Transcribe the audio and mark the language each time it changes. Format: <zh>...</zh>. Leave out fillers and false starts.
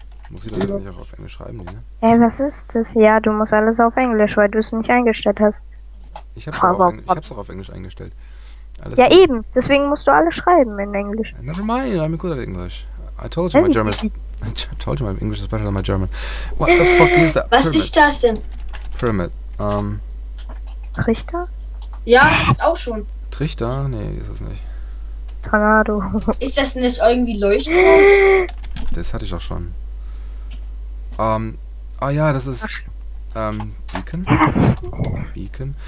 <de>Muss ich das jetzt nicht auch auf Englisch schreiben, ne? Hey, was ist das? Ja, du musst alles auf Englisch, weil du es nicht eingestellt hast. Ich hab's auch auf Englisch eingestellt. Alles ja, gut. Eben. Deswegen musst du alles schreiben in Englisch.</de> <en>Never mind, I'm good at English. I told you my German. I told you my English is better than my German. What the fuck is that?</en> <de>Was Pyramid. Ist das denn? Pyramid. Trichter? Ja, ist auch schon. Trichter? Nee, ist es nicht. Tornado. Ist das nicht irgendwie Leuchtturm? Das hatte ich auch schon. Ah ja, das ist. Beacon? Oh, Beacon?</de>